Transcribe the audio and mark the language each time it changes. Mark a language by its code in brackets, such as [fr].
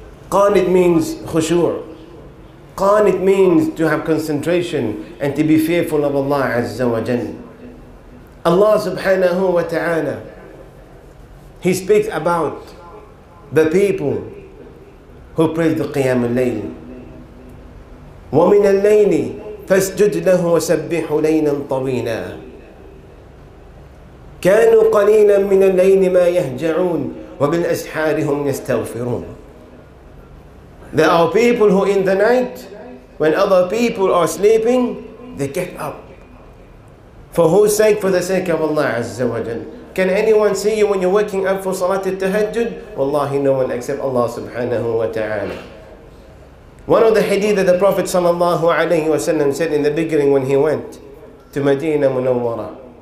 [en] Qanit means khushur. Qanit means to have concentration and to be fearful of Allah Azza wa Jal. Allah subhanahu wa ta'ala, He speaks about the people who praise the Qiyam al-Layl. [ar] وَمِنَ اللَّيْلِ فَاسْجُدْ لَهُ وَسَبِّحُ لَيْلًا طَوِيلًا كَانُوا قَلِيلًا مِنَ اللَّيْلِ مَا يَهْجَعُونَ وَبِالْأَسْحَارِ هُمْ يَسْتَغْفِرُونَ [en] There are people who in the night, when other people are sleeping, they get up. For whose sake? For the sake of Allah Azza wa Jal. Can anyone see you when you're waking up for Salat al-Tahajjud? Wallahi, no one except Allah subhanahu wa ta'ala. One of the hadith that the Prophet [ar] sallallahu alayhi wa sallam [en] said in the beginning when he went to Medina Munawwara.